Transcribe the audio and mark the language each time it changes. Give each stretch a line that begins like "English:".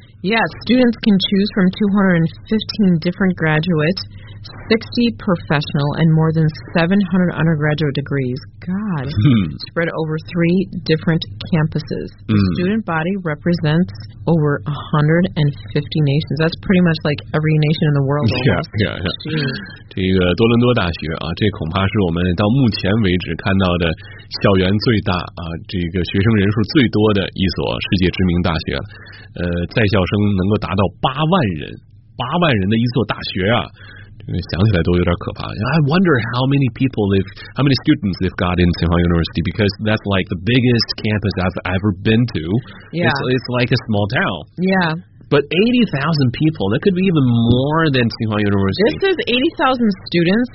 English: Yeah, students can choose from 215 different graduates, 60 professional, and more than 700 undergraduate degrees. God, spread over three different campuses. Mm. Student body represents over 150 nations. That's pretty much like every nation in the world. Yeah.
Chinese: 这个多伦多大学啊，这恐怕是我们到目前为止看到的校园最大啊，这个学生人数最多的一所世界知名大学。在校生能够达到八万人的一座大学啊。想起来都有点可怕。
English: I wonder how many students they've got in Tsinghua University, because that's like the biggest campus I've ever been to. Yeah. It's like a small town. Yeah. But 80,000 people, that could be even more than Tsinghua University. This is 80,000 students.